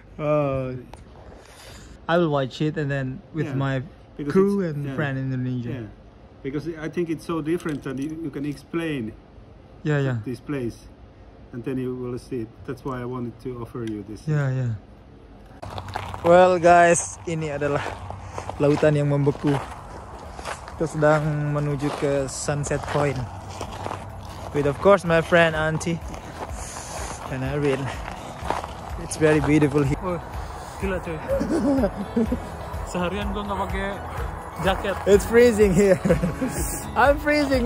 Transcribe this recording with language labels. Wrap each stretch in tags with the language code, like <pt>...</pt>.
<en>I will watch it and then with my crew and friend in Indonesia. Yeah. Because I think it's so different and you can explain this place. And then you will see it. That's why I wanted to offer you this. Yeah.</en> <id>Well guys, ini adalah lautan yang membeku. Kita sedang menuju ke Sunset Point.</id> <en>With of course my friend Antti and Ariel. It's very beautiful here.</en> <id>Gila cuy. Seharian gua gak pake jaket.</id> <en>It's freezing here. I'm freezing.</en>